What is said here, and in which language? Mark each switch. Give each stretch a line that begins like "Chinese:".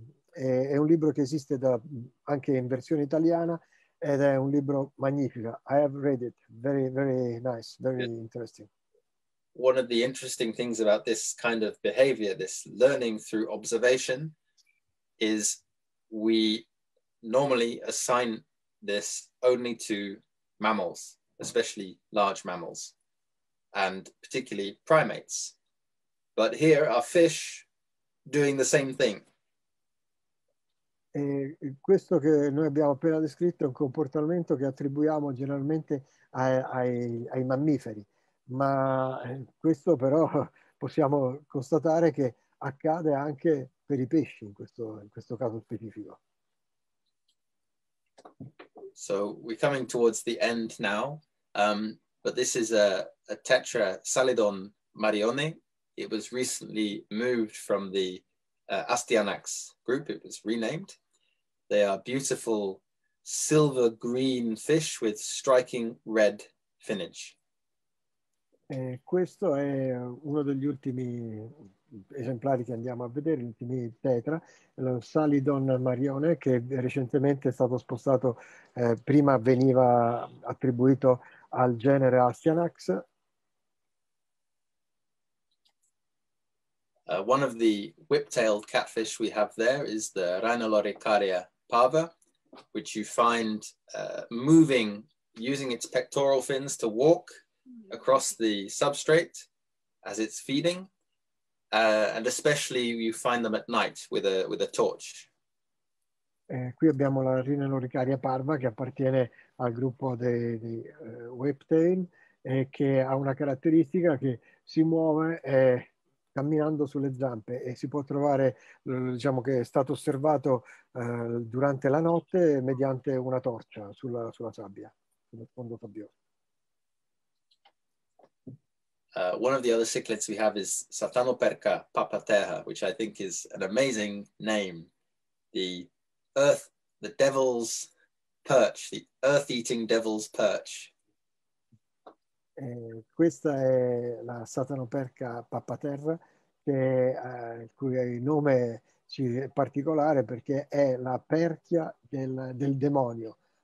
Italian: È un libro che esiste anche in versione italiana ed è un libro magnifico.
English: I have read it. Very, very nice, very Good. Interesting. One of the interesting things about this kind of behavior, this learning through observation, is we normally assign this only to mammals, especially large mammals, and particularly primates. But here are fish doing the same thing.
Italian: Questo che noi abbiamo appena descritto è un comportamento che attribuiamo generalmente ai mammiferi, ma questo però possiamo constatare che accade anche per i pesci in questo caso specifico.
English: So we're coming towards the end now, but this is a tetra salidon marione. It was recently moved from the Astyanax group, it was renamed. They are beautiful silver green fish with striking red finnage.
Italian: Questo è uno degli ultimi esemplari che andiamo a vedere, gli ultimi tetra, lo Salidon Marione, che recentemente è stato spostato, prima veniva attribuito al genere Astyanax.
English: One of the whip-tailed catfish we have there is the Rhino loricaria parva, which you find moving, using its pectoral fins to walk across the substrate as it's feeding, and especially you find them at night with a torch.
Italian: Qui abbiamo la Rhino loricaria parva, che appartiene al gruppo dei whip-tail, che ha una caratteristica che si muove camminando sulle zampe, e si può trovare, diciamo che è stato osservato durante la notte mediante una torcia sulla sabbia, sullo sfondo sabbioso.
English: One of the other cichlids we have is Satanoperca papaterra, which I think is an amazing name. The earth, the devil's perch, the earth-eating devil's perch.
Italian: Questa è la Satanoperca papaterra, il cui nome è particolare perché è la perchia del demonio.